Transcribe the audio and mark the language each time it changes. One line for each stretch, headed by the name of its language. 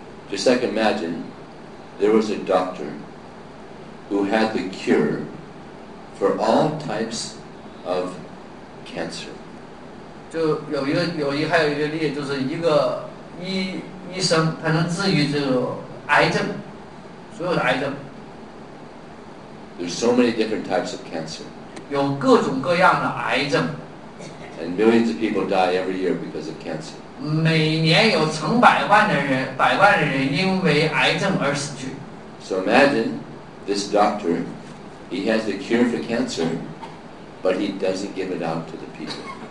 English: Just like imagine, there was a doctor who had the cure for all types of cancer.
Chinese: 就有一个例子，就是一个医生，他能治愈这个癌症，所有的癌症。
English: There's so many different types of cancer.
Chinese: 有各种各样的癌症。
English: And millions of people die every year because of cancer.
Chinese: 每年有成百万的人因为癌症而死去。
English: So imagine this doctor, he has the cure for cancer, but he doesn't give it out to the people.